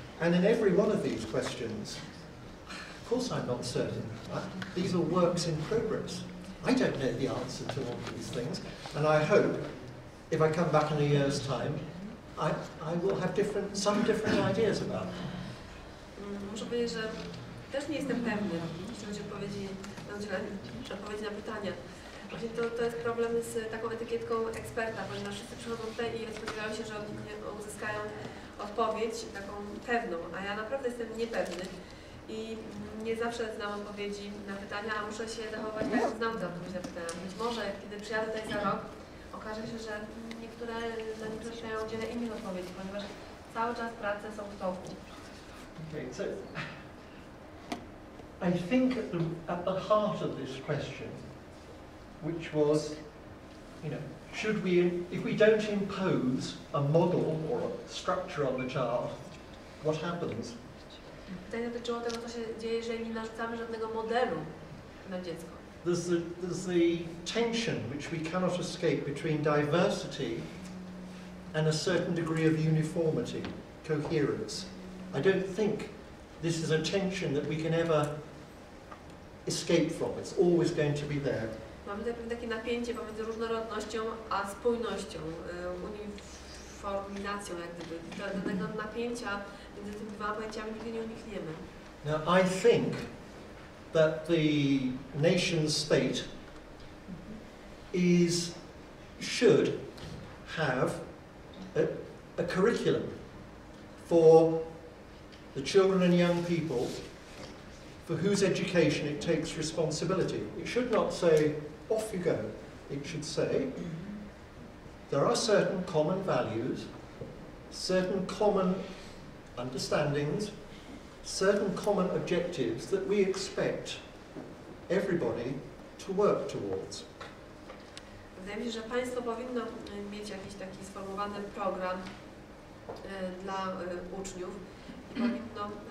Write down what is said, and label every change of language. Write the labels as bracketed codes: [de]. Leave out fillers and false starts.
[en] And in every one of these questions, of course I'm not certain. These are works in progress. I don't know the answer to all these things. And I hope, if I come back in a year's time, I will have some different ideas about them. [pl] Muszę powiedzieć, że też nie jestem pewny, jeśli chodzi o odpowiedzi na pytania. Właśnie to jest problem z taką etykietką eksperta, ponieważ wszyscy przychodzą tutaj i spodziewają się, że oni uzyskają odpowiedź taką pewną, a ja naprawdę jestem niepewny i nie zawsze znam odpowiedzi na pytania, a muszę się zachować tak, jak znam te odpowiedzi na pytania. Być może, kiedy przyjadę tutaj za rok, okaże się, że niektóre na nich zaczynają udzielać innych odpowiedzi, ponieważ cały czas prace są w toku. [en] I think at the heart of this question, which was, you know, should we, if we don't impose a model or a structure on the child, what happens? [pl] Pytanie dotyczyło tego, co się dzieje, jeżeli nie narzucamy żadnego modelu na dziecko. [en] There's the tension which we cannot escape between diversity and a certain degree of uniformity, coherence. I don't think this is a tension that we can ever escape from. It's always going to be there. [pl] Mamy tutaj takie napięcie pomiędzy różnorodnością a spójnością, uniformizacją jak gdyby. Tego napięcia między tymi dwoma pojęciami nigdy nie unikniemy. [en] Now I think that the nation state should have a curriculum for the children and young people for whose education it takes responsibility. It should not say, off you go. It should say, there are certain common values, certain common understandings, certain common objectives that we expect everybody to work towards. [pl] Wydaje mi się, że państwo powinno mieć jakiś taki sformułowany program dla uczniów i powinno